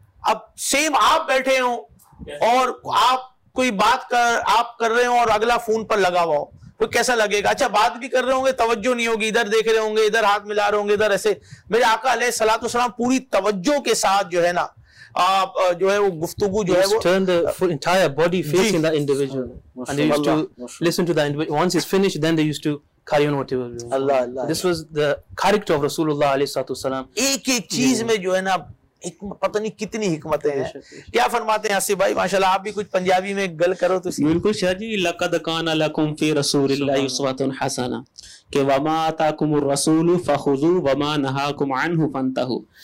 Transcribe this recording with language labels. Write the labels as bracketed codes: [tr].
[ur] اب سیم آپ بیٹھے ہوں اور آپ کوئی بات کر رہے ہوں اور اگلا فون پر لگا ہوا ہو, تو کیسا لگے گا؟ اچھا بات بھی کر رہے ہوں گے, توجہ نہیں ہوگی, ادھر دیکھ رہے ہوں گے, ادھر ہاتھ ملا رہے ہوں گے, ادھر ایسے. میرے آقا علیہ الصلوۃ والسلام پوری توجہ کے ساتھ جو ہے نا آپ جو ہے وہ گفتگو جو ہے وہ [en] turn the full entire body facing that individual and they used to listen to the individual. Once he's finished, then they used to carry on whatever. [ar] Allah, Allah. [en] This was the character of Rasulullah [ar] علیہ الصلوۃ والسلام. [ur] ایک ایک چیز میں جو ہے نا پتہ نہیں کتنی حکمتیں ہیں. کیا فرماتے ہیں آصف بھائی, ماشاءاللہ آپ بھی کچھ پنجابی میں گل کرو تو. بالکل شاہ جی, [ar] لقد کان لکم فی رسول اللہ اسوۃ حسنہ کہ وما آتاکم الرسول فخذوا وما نہاکم عنہ فانتہوا.